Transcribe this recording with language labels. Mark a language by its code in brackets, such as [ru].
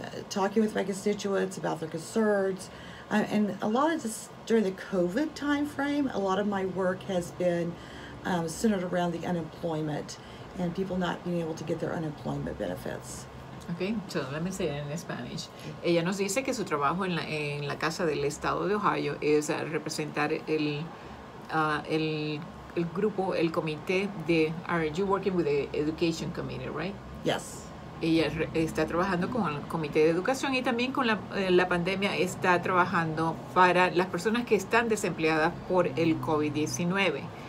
[en] Talking with my constituents about their concerns, and a lot of this during the COVID timeframe, a lot of my work has been centered around the unemployment and people not being able to get their unemployment benefits. Okay, so let me say it in Spanish. [es] Ella nos dice que su trabajo en la Casa del Estado de Ohio es representar el grupo, el comité de... [en] Are you working with the Education Committee, right? Yes. [es] Ella está trabajando con el Comité de Educación y también con la pandemia está trabajando para las personas que están desempleadas por el COVID-19.